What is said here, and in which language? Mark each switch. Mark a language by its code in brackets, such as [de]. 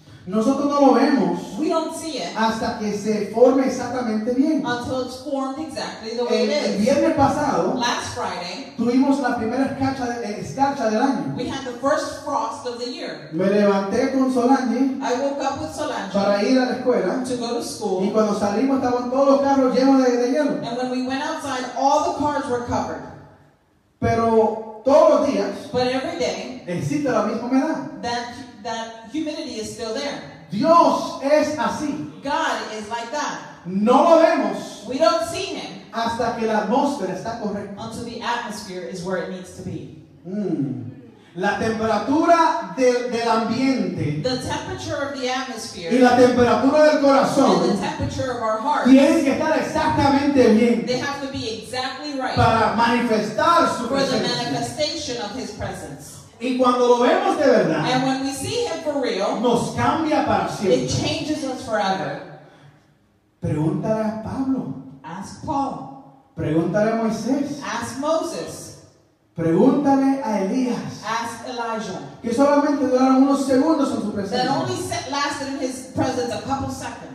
[es] Nosotros no lo vemos [en] we don't see it [es] hasta que se forme exactamente bien. [en] Until it's formed exactly the way [es] el, [en] it is. [es] El viernes pasado, [en] last Friday, [es] tuvimos la primera escarcha del año. [en] We had the first frost of the year. [es] Me levanté con Solange. [en] I woke up with Solange [es] para ir a la escuela. [en] To go to school. [es] Y cuando salimos estaban todos los carros llenos de hielo. [en] And when we went outside, all the cars were covered. [es] Pero todos los días, [en] but every day, [es] existe la misma humedad. [en] That humidity is still there. [es] Dios es así. [en] God is like that. [es] No lo vemos. [en] We don't see him. [es] Hasta que la atmósfera está correcta. [en] Until the atmosphere is where it needs to be. [es] La temperatura del ambiente. [en] The temperature of the atmosphere. [es] Y la temperatura del corazón. [en] And the temperature of our hearts. [es] Tienen que estar exactamente bien. [en] They have to be exactly right. [es] Para manifestar su [en] for [es] presencia. [en] For the manifestation of his presence. [es] Y cuando lo vemos de verdad, [en] and when we see him for real, [es] nos cambia para siempre. [en] It changes us forever. [es] Pregúntale a Pablo. [en] Ask Paul. [es] Pregúntale a Moisés. [en] Ask Moses. [es] Pregúntale a Elías. [en] Ask Elijah. [es] Que solamente duraron unos segundos en su presencia. [en] That only lasted in his presence a couple seconds.